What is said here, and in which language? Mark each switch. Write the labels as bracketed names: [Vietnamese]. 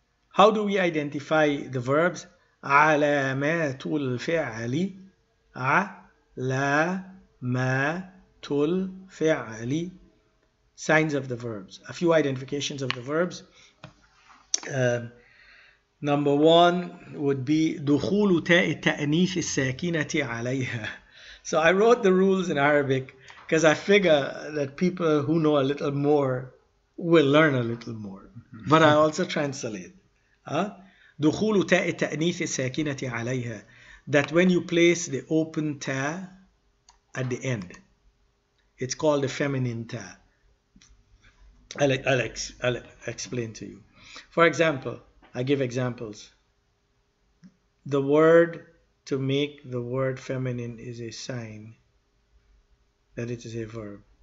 [English] How do we identify the verbs? [Arabic] علامات الفعل علامات الفعل [English] signs of the verbs. A few identifications of the verbs. Number one would be [Arabic] دخول تاء التأنيث الساكنة عليها. [English] So I wrote the rules in Arabic because I figure that people who know a little more will learn a little more. But I also translate. [Arabic] دخول تاء التأنيث الساكنة عليها [English] that when you place the open ta at the end, it's called the feminine ta. I'll explain to you. For example, I give examples. The word to make the word feminine is a sign that it is a verb.